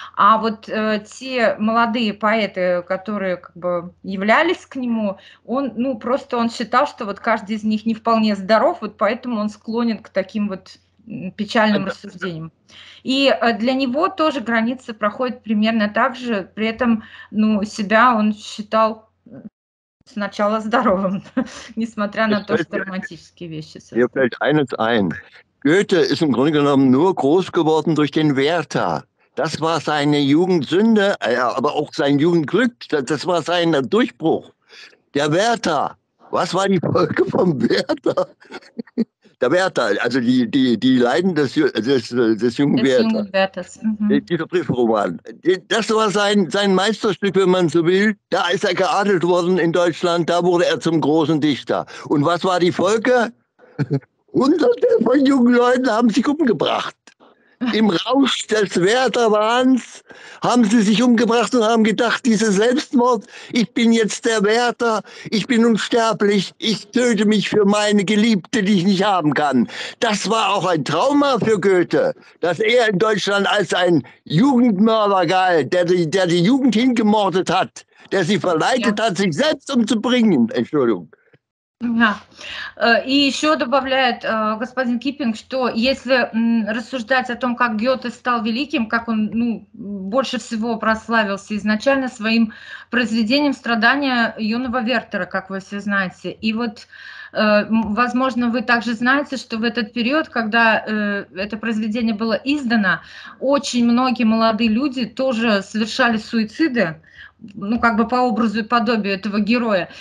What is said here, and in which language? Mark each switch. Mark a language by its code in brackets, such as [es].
[ru] А вот те молодые поэты, которые как бы являлись к нему, он, ну, просто он считал, что вот каждый из них не вполне здоров, вот поэтому он склонен к таким вот печальным рассуждением. И для него тоже граница проходит примерно так же, при этом, ну, себя он считал сначала здоровым, несмотря на то, что романтические вещи. Мне [de] fällt eines ein. Goethe ist im Grunde genommen nur groß geworden durch den Werther. Das war seine Jugendsünde, aber auch sein Jugendglück. Das war sein Durchbruch. Der Werther. Was war die Folge vom Werther? Der Werther, also die Leiden des jungen Werthers. Mhm. Dieser Briefroman. Das war sein Meisterstück, wenn man so will. Da ist er geadelt worden in Deutschland. Da wurde er zum großen Dichter. Und was war die Folge? Hunderte von jungen Leuten haben sich umgebracht. Im Rausch des Werther-Wahns haben sie sich umgebracht und haben gedacht, dieser Selbstmord, ich bin jetzt der Werther, ich bin unsterblich, ich töte mich für meine Geliebte, die ich nicht haben kann. Das war auch ein Trauma für Goethe, dass er in Deutschland als ein Jugendmörder galt, der die Jugend hingemordet hat, der sie verleitet hat, sich selbst umzubringen. Entschuldigung. [ru] Да. И еще добавляет господин Киппинг, что если рассуждать о том, как Гёте стал великим, как он, ну, больше всего прославился изначально своим произведением «Страдания юного Вертера», как вы все знаете. И вот, возможно, вы также знаете, что в этот период, когда это произведение было издано, очень многие молодые люди тоже совершали суициды, ну, как бы по образу и подобию этого героя.